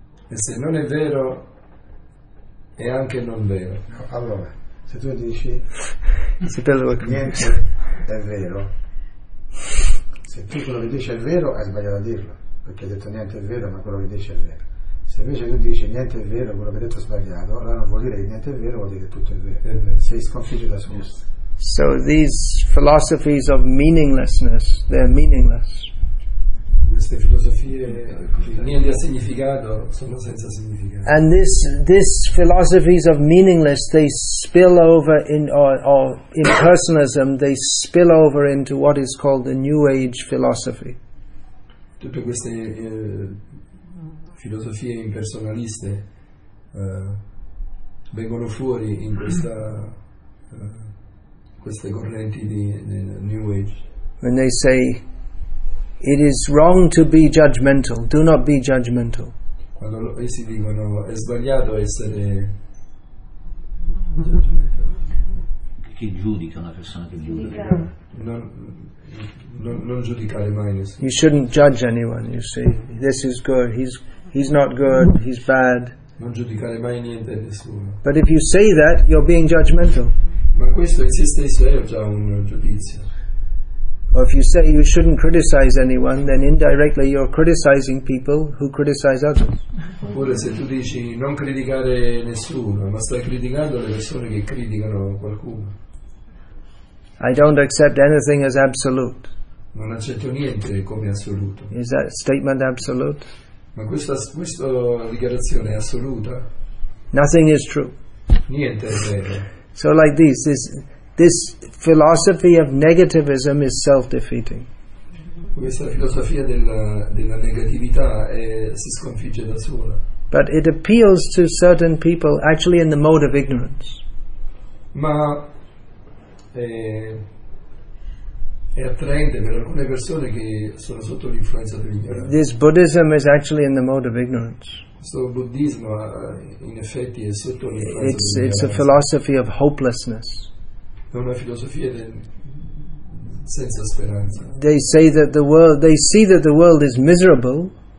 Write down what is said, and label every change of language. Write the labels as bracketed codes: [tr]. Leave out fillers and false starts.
[it] E se non è vero, è anche non vero. Allora, se tu dici niente è vero, se tu quello che dici è vero, hai sbagliato a dirlo. Perché hai detto niente è vero, ma quello che dici è vero. Se Se invece tu dici niente è vero, quello che hai detto è sbagliato, allora non vuol dire che niente è vero, vuol dire che tutto è vero. Sei sconfitto da solo. Yes. [en] So these philosophies of meaninglessness, they're meaningless. [it] Queste filosofie che non hanno significato sono senza significato. [en] And this philosophies of meaningless, they spill over in or in personalism, they spill over into what is called the New Age philosophy. [it] Tutte queste filosofie impersonaliste vengono fuori in questa queste correnti di New Age. [en] When they say it is wrong to be judgmental, do not be judgmental. [it] Quando essi dicono è sbagliato essere che giudica una persona che giudica. Non giudicare mai nessuno. [en] You shouldn't judge anyone, you see. This is good, he's not good, he's bad. [it] Non giudicare mai niente e nessuno. [en] But if you say that, you're being judgmental. [it] Ma questo in se stesso è già un giudizio. [en] Or if you say you shouldn't criticize anyone, then indirectly you're criticizing people who criticize others. [it] Oppure se tu dici non criticare nessuno, ma stai criticando le persone che criticano qualcuno. [en] I don't accept anything as absolute. [it] Non accetto niente come assoluto. [en] Is that statement absolute? [it] Ma questa dichiarazione è assoluta? [en] Nothing is true. [it] Niente è vero. [en] So like this philosophy of negativism is self-defeating. [it] Questa filosofia della negatività si sconfigge da sola. [en] But it appeals to certain people actually in the mode of ignorance. [it] Ma è attraente per alcune persone che sono sotto l'influenza dell'ignoranza. [en] This Buddhism is actually in the mode of ignorance. [it] So Buddhismo in effetti è sotto l'influenza [en] dell'ignoranza. It's a philosophy of hopelessness. [it] È una filosofia senza speranza. [en] They say that the world, they see that the world is miserable.